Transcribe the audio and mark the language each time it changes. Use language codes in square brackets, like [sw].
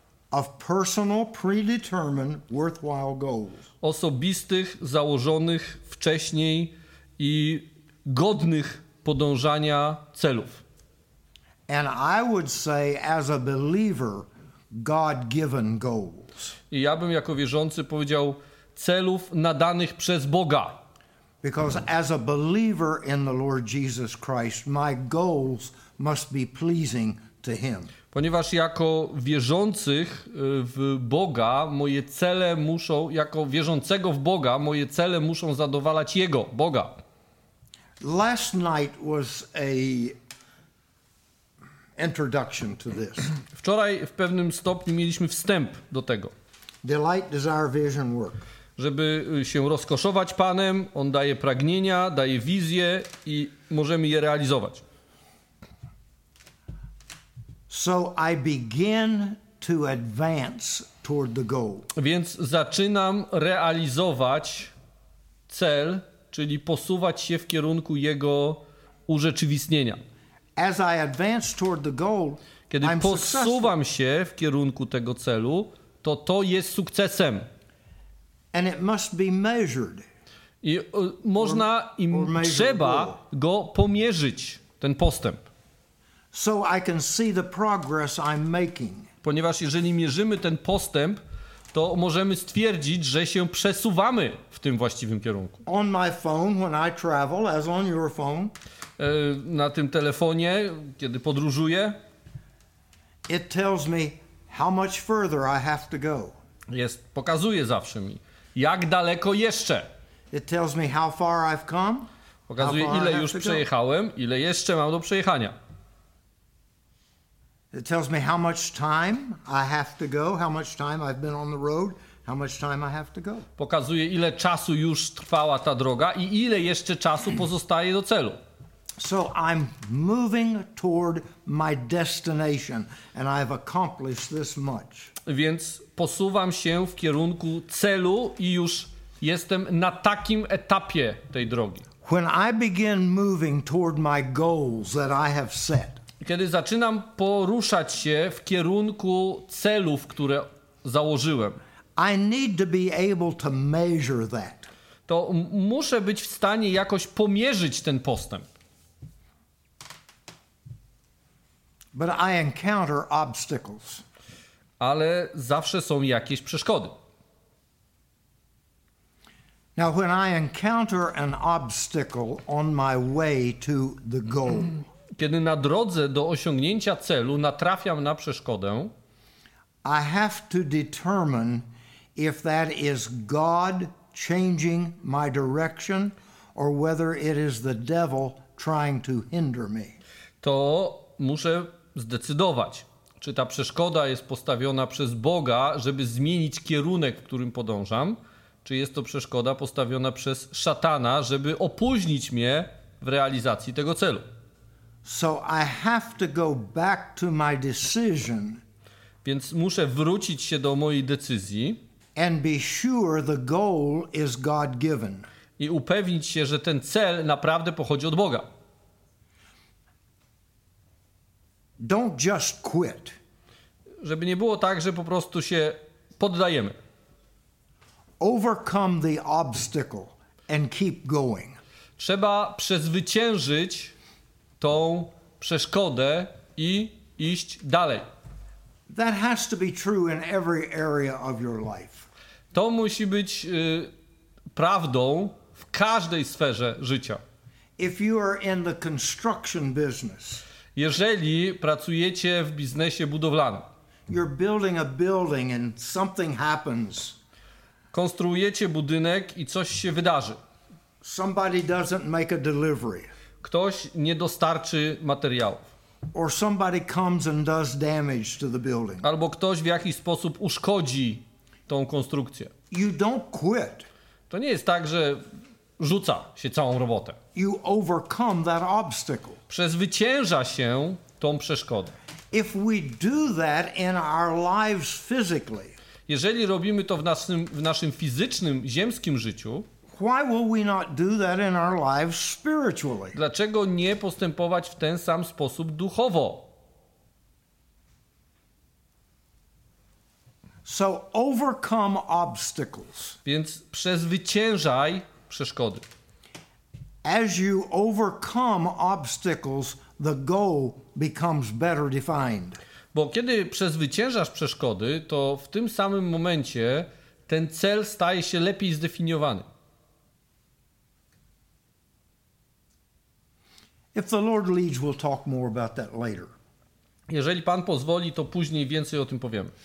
[en] Of personal predetermined worthwhile goals. [pl] Osobistych, założonych wcześniej i godnych podążania celów. [en] And I would say, as a believer, God-given goals. [pl] I ja bym jako wierzący powiedział celów nadanych przez Boga. [en] Because as a believer in the Lord Jesus Christ, my goals must be pleasing to Him. [pl] Ponieważ jako wierzących w Boga, moje cele muszą, jako wierzącego w Boga, moje cele muszą zadowalać Jego, Boga. [en] Last night was a introduction to this. [pl] Wczoraj w pewnym stopniu mieliśmy wstęp do tego. [en] Delight, desire, vision, work. [pl] Żeby się rozkoszować Panem, On daje pragnienia, daje wizje i możemy je realizować. [en] So I begin to advance toward the goal. [pl] Więc zaczynam realizować cel, czyli posuwać się w kierunku jego urzeczywistnienia. [en] As I advance toward the goal, [pl] kiedy [en] I'm [pl] posuwam Się w kierunku tego celu, to jest sukcesem. [en] And it must be measured. [pl] I można i trzeba go pomierzyć, ten postęp. [en] So I can see the progress I'm making. [pl] Ponieważ jeżeli mierzymy ten postęp, to możemy stwierdzić, że się przesuwamy w tym właściwym kierunku. [en] On my phone when I travel, as on your phone. [pl] Na tym telefonie, kiedy podróżuję, [en] it tells me how much further I have to go. [pl] Jest, pokazuje zawsze mi, jak daleko jeszcze. [en] It tells me how far I've come. [pl] Pokazuje, ile już przejechałem, ile jeszcze mam do przejechania. [en] It tells me how much time I have to go, how much time I've been on the road, how much time I have to go. [pl] Pokazuje, ile czasu już trwała ta droga i ile jeszcze czasu pozostaje do celu. [en] So I'm moving toward my destination and I've accomplished this much. [pl] Więc posuwam się w kierunku celu i już jestem na takim etapie tej drogi. [en] When I begin moving toward my goals that I have set. [pl] Kiedy zaczynam poruszać się w kierunku celów, które założyłem. [en] I need to be able to measure that. [pl] To muszę być w stanie jakoś pomierzyć ten postęp. [en] But I encounter obstacles. [pl] Ale zawsze są jakieś przeszkody. [en] Now when I encounter an obstacle on my way to the goal. [pl] Kiedy na drodze do osiągnięcia celu natrafiam na przeszkodę, [en] I have to determine if that is God changing my direction or whether it is the devil trying to hinder me. [pl] To muszę zdecydować, czy ta przeszkoda jest postawiona przez Boga, żeby zmienić kierunek, w którym podążam, czy jest to przeszkoda postawiona przez szatana, żeby opóźnić mnie w realizacji tego celu. [en] So I have to go back to my decision. [pl] Więc muszę wrócić się do mojej decyzji [en] and be sure the goal is God given. [pl] I upewnić się, że ten cel naprawdę pochodzi od Boga. [en] Don't just quit. [pl] Żeby nie było tak, że po prostu się poddajemy. [en] Overcome the obstacle and keep going. [pl] Trzeba przezwyciężyć tą przeszkodę i iść dalej. [en] That has to be true in every area of your life. [pl] To musi być prawdą w każdej sferze życia. [en] If you are in the construction business. [pl] Jeżeli pracujecie w biznesie budowlanym. [en] You're building a building and something happens. [pl] Konstruujecie budynek i coś się wydarzy. [en] Somebody doesn't make a delivery. [pl] Ktoś nie dostarczy materiałów. [en] Or somebody comes and does damage to the building. [pl] Albo ktoś w jakiś sposób uszkodzi tą konstrukcję. [en] You don't quit. [pl] To nie jest tak, że rzuca się całą robotę. [en] You overcome that obstacle. [pl] Przezwycięża się tą przeszkodę. [en] If we do that in our lives physically. [pl] Jeżeli robimy to w naszym fizycznym, ziemskim życiu. [en] Why will we not do that in our lives spiritually? [pl] Dlaczego nie postępować w ten sam sposób duchowo? [en] So overcome obstacles. [pl] Więc przezwyciężaj przeszkody. [en] As you overcome obstacles, the goal becomes better defined. [pl] Bo kiedy przezwyciężasz przeszkody, to w tym samym momencie ten cel staje się lepiej zdefiniowany. [en] If the Lord leads, we'll talk more about that later. [pl] Jeżeli Pan pozwoli, to później więcej o tym powiemy.